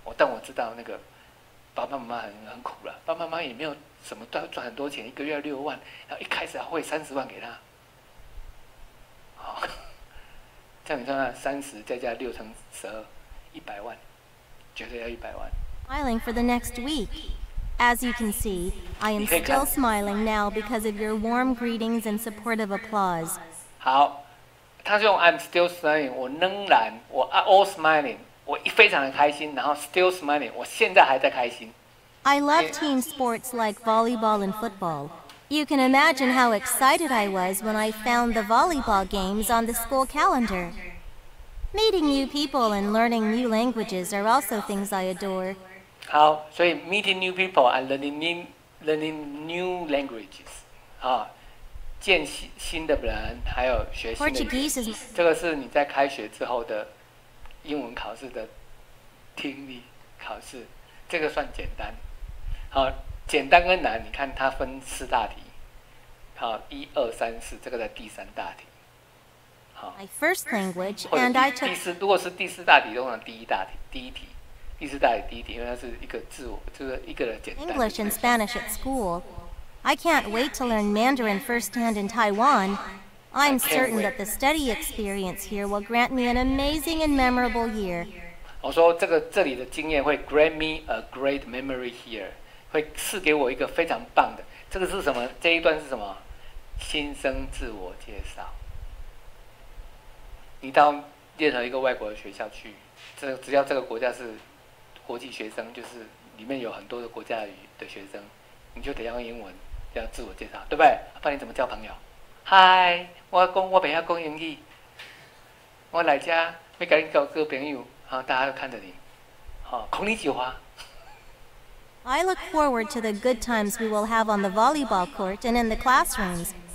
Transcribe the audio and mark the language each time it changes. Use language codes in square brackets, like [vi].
[zh] 但我知道那个爸爸妈妈很苦啦，爸爸妈妈也没有。什么都要赚很多钱，一个月六万，然后一开始要汇30万给他，好、哦，这样你算算，30再加六乘12，100万，绝对要100万。 [en] Smiling for the next week, as you can see, I am still smiling now because of your warm greetings and supportive applause. [zh] 好，他是用 [en] I'm still smiling， [zh] 我仍然，我 [en] all smiling， [zh] 我非常的开心，然后 [en] still smiling， [zh] 我现在还在开心。 [en] I love team sports like volleyball and football. You can imagine how excited I was when I found the volleyball games on the school calendar. Meeting new people and learning new languages are also things I adore. 好， [zh] 所以 [en] meeting new people and learning new languages. [zh] 好，见新的人，还有学新的。 [en] Portuguese is. [zh] 这个是你在开学之后的英文考试的听力考试，这个算简单。好，简单跟难，你看它分四大题。好，一二三四，这个在第三大题。好 [en] ，My first language and I took [zh] 第四，如果是第四大题，通常第一大题，第一题，第四大题第一题，因为它是一个自我，就是一个人简单。 [en] English and Spanish at school. I can't wait to learn Mandarin firsthand in Taiwan. I'm certain that the study experience here will grant me an amazing and memorable year. [zh] 我说这里的经验会 [en] grant me a great memory here. [zh] 会赐给我一个非常棒的，这个是什么？这一段是什么？新生自我介绍。你到任何一个外国的学校去，只要这个国家是国际学生，就是里面有很多的国家的学生，你就得要用英文要自我介绍，对不对？不然你怎么交朋友？嗨，我不要讲英语，我来家要跟你交个朋友，然后大家都看着你，好，孔你几花。 [en] I look forward to the good times we will have on the volleyball court and in the classrooms.